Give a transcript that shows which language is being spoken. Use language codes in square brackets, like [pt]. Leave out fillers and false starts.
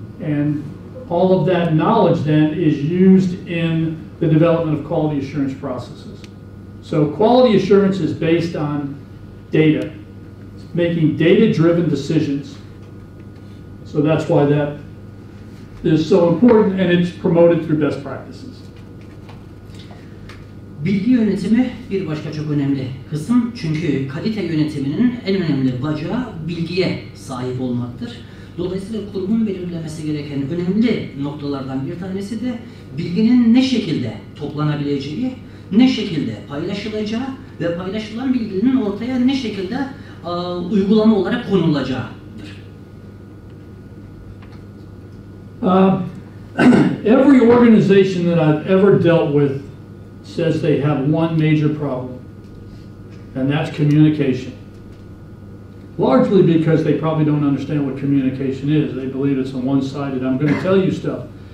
[en] And all of that knowledge then is used in the development of quality assurance processes. So quality assurance is based on data, making data-driven decisions. So that's why that is so important and it's promoted through best practices. [tr] Bilgi yönetimi bir başka çok önemli kısım. Çünkü kalite yönetiminin en önemli bacağı bilgiye sahip olmaktır. Dolayısıyla kurumun belirlemesi gereken önemli noktalardan bir tanesi de bilginin ne şekilde toplanabileceği, ne şekilde paylaşılacağı ve paylaşılan bilginin ortaya ne şekilde uygulama olarak konulacağıdır. [en] Every organization that I've ever dealt with says they have one major problem, and that's communication. Largely because they probably don't understand what communication is. They believe it's a one-sided, I'm going to tell you stuff.